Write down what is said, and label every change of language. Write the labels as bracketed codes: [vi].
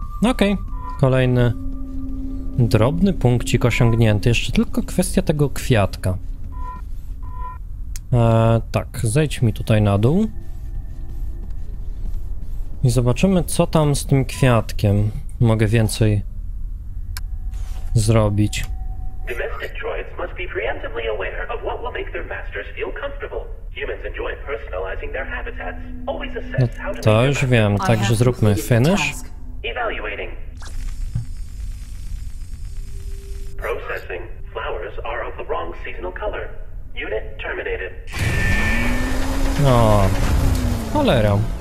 [pl] Okej. Kolejny drobny punkcik osiągnięty. Jeszcze tylko kwestia tego kwiatka. Tak, zejdź mi tutaj na dół. I zobaczymy, co tam z tym kwiatkiem mogę więcej zrobić. [en] Domestic droids must be preemptively aware of what will make their masters feel comfortable. Humans enjoy personalizing their habitats. Always assess how to. [pl] To już wiem, także zróbmy finish. [en] Evaluating. Processing. Flowers are of the wrong seasonal color. Unit terminated. No. [pl] Cholera.